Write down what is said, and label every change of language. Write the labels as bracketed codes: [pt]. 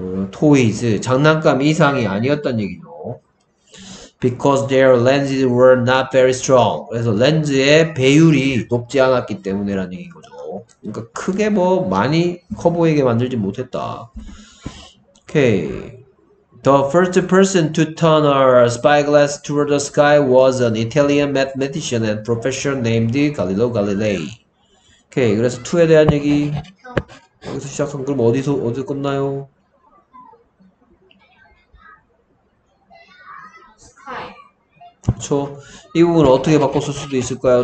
[ko] 토이즈, 장난감 이상이 아니었던 얘기죠. [en] Because their lenses were not very strong. [ko] 그래서 렌즈의 배율이 높지 않았기 때문에라는 얘기인 거죠. 그러니까 크게 뭐 많이 커 보이게 만들지 못했다. Okay. [en] The first person to turn a spyglass toward the sky was an Italian mathematician and professor named Galileo Galilei. [ko] Okay. 그래서 투에 대한 얘기. 여기서 시작한 그럼 어디 끝나요? 그쵸? 이 부분을 어떻게 바꿨을 수도 있을까요?